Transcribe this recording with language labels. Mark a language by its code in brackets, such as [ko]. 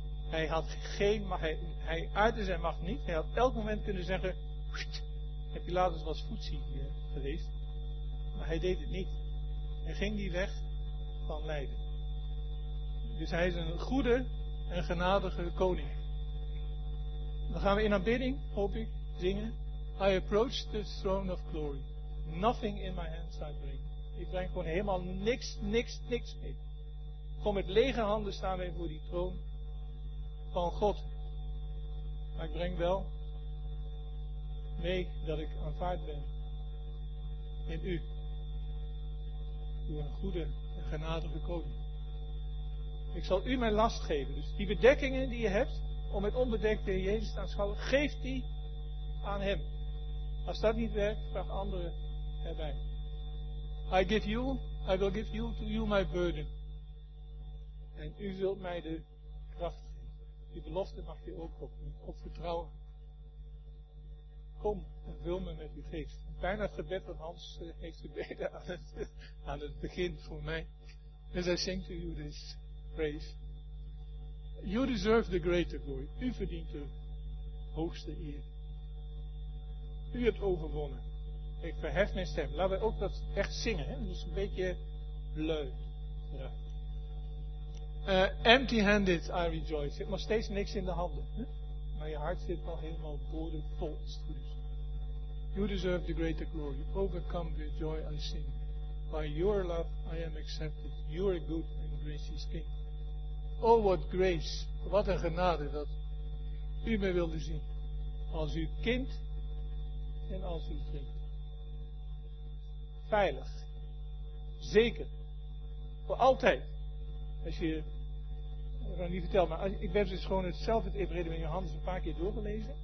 [nl] Hij had geen macht, hij uitte zijn macht niet. Hij had elk moment kunnen zeggen, en Pilatus was voetzie geweest. Maar hij deed het niet. Hij ging die weg van lijden. Dus hij is een goede en genadige koning. Dan gaan we in aanbidding, hoop ik, zingen. [en] I approach the throne of glory. Nothing in my hands I bring. [nl] Ik breng gewoon helemaal niks mee. Gewoon met lege handen staan wij voor die troon van God. Maar ik breng wel mee dat ik aanvaard ben in u. Door een goede en genadige koning. Ik zal u mijn last geven. Dus die bedekkingen die je hebt om met onbedekte Jezus te aanschouwen, geef die aan hem. Als dat niet werkt, vraag anderen erbij. [en] I will give to you my burden. [nl] En u zult mij de kracht geven. Die belofte mag je ook op vertrouwen. Kom en vul me met uw geest. Bijna het gebed van Hans heeft gebeden aan het begin voor mij. [en] As I sing to you this praise. You deserve the greater glory. [nl] U verdient de hoogste eer. U hebt overwonnen. Ik verhef mijn stem. Laten we ook dat echt zingen. Hè? Dus een beetje leuk. Ja. [en] Empty-handed I rejoice. [nl] Je hebt nog steeds niks in de handen. Hè? Maar je hart zit wel helemaal boordevol. [en] You deserve the greater glory. Overcome with joy I sing. By your love I am accepted. You are good and gracious King. Oh, what grace. [nl] Wat een genade dat u mij wilde zien. Als uw kind en als uw vriend. Veilig. Zeker. Voor altijd. Als je, ik kan niet vertellen, maar ik ben dus gewoon hetzelfde evenredig met Johannes een paar keer doorgelezen.